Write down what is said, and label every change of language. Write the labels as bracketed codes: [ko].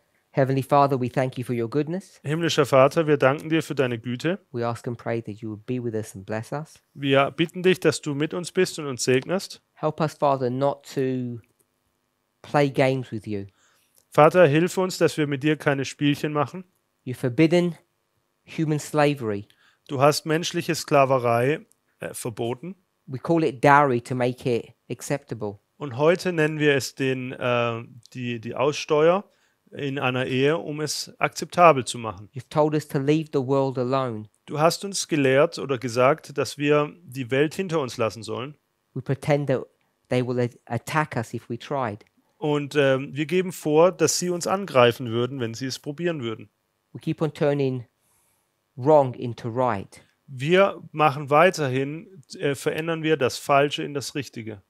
[en] Heavenly Father, we thank you for your goodness. [de] Himmlischer Vater, wir danken dir für deine Güte. [en] We ask and pray that you would be with us and bless us. [de] Wir bitten dich, dass du mit uns bist und uns segnest. [en] Help us, Father, not to play games with you. [de] Vater, hilf uns, dass wir mit dir keine Spielchen machen. [en] You've forbidden human slavery. [de] Du hast menschliche Sklaverei verboten. [en] We call it dowry to make it acceptable. [de] Und heute nennen wir es die Aussteuer in einer Ehe, um es akzeptabel zu machen. [en] You've told us to leave the world alone. [de] Du hast uns gelehrt oder gesagt, dass wir die Welt hinter uns lassen sollen. [en] We pretend that they will attack us if we tried. [de] Und wir geben vor, dass sie uns angreifen würden, wenn sie es probieren würden. [en] We keep on turning wrong into right. [de] Wir machen weiterhin, verändern wir das Falsche in das Richtige.